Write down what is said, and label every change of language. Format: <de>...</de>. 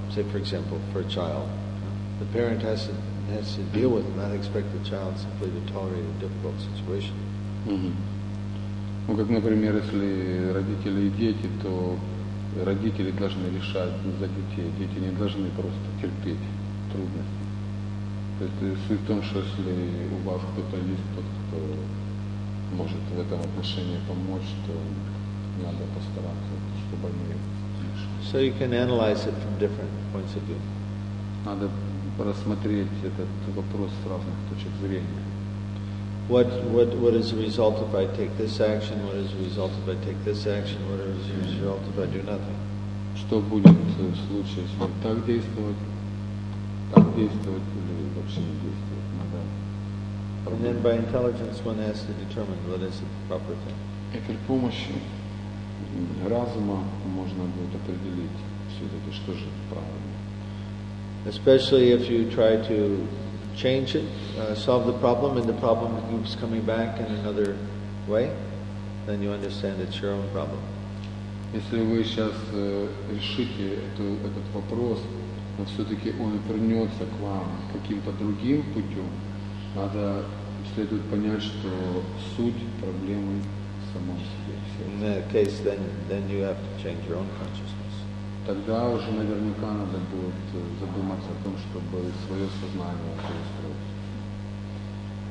<en>Say, for example, for a child. The parent has to deal with it, not expect the child simply to tolerate a difficult situation.</en> <ru>Mm-hmm. Ну, как, например, если родители и дети, то родители должны решать за детей. Дети не должны просто терпеть трудности. То есть суть в том, что если у вас кто-то есть, тот, кто может в этом отношении помочь, то надо постараться, чтобы они решили.</ru> <en>So you can analyze it from different points of view.</en> <ru>Надо рассмотреть этот вопрос с разных точек зрения.</ru> <en>What is the result if I take this action? What is the result if I take this action? What is the result if I do nothing?</en> <ru>Что будет в случае, если так действовать, так действовать или вообще не действовать? Надо.</ru> <en>And then by intelligence, one has to determine what is the proper thing.</en> <ru>Это при помощи разума можно будет определить все-таки, что же правильно.</ru> <en>Especially if you try to change it, solve the problem, and the problem keeps coming back in another way, then you understand it's your own problem.</en> <ru>Если вы сейчас решите этот вопрос, но все-таки он вернется к вам каким-то другим путем, надо следует понять, что суть проблемы в самом себе.</ru> <en>In that case, then you have to change your own consciousness.</en> <ru>Тогда уже наверняка надо будет задуматься о том, чтобы свое сознание перестроить.</ru>